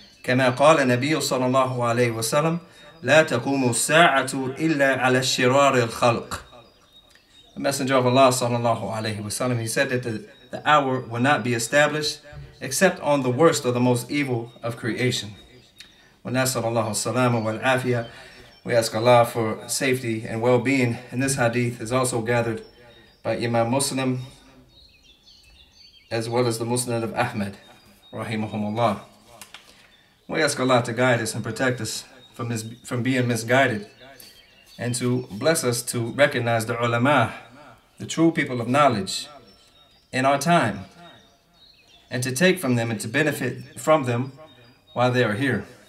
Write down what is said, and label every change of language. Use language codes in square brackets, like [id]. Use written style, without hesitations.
[ar] كما قال النبي صلى الله عليه وسلم, لا تقوم الساعة إلا على شرار الخلق. [en] The Messenger of Allah صلى الله عليه وسلم, he said that the hour will not be established except on the worst or the most evil of creation. [ar] ونسأل الله السلامة والعافية. [en] We ask Allah for safety and well-being. And this hadith is also gathered by Imam Muslim, as well as the Musnad of Ahmed, rahimahumullah. We ask Allah to guide us and protect us from being misguided, and to bless us to recognize the ulama, the true people of knowledge, in our time, and to take from them and to benefit from them while they are here.